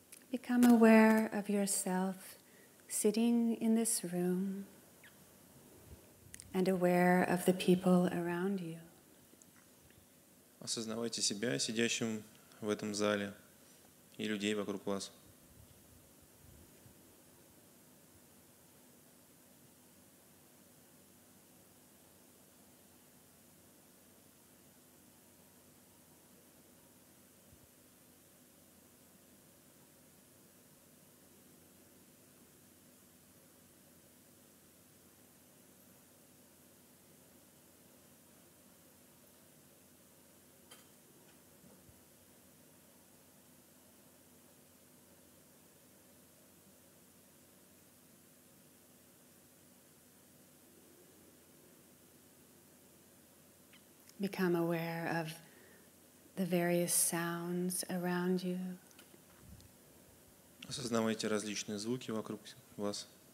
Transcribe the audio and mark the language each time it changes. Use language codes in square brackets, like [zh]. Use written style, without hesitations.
[en] Become aware of yourself sitting in this room and aware of the people around you. [ru] Осознавайте себя сидящим в этом зале и людей вокруг вас. [en] Become aware of the various sounds around you. [ru] Осознавайте различные звуки вокруг вас.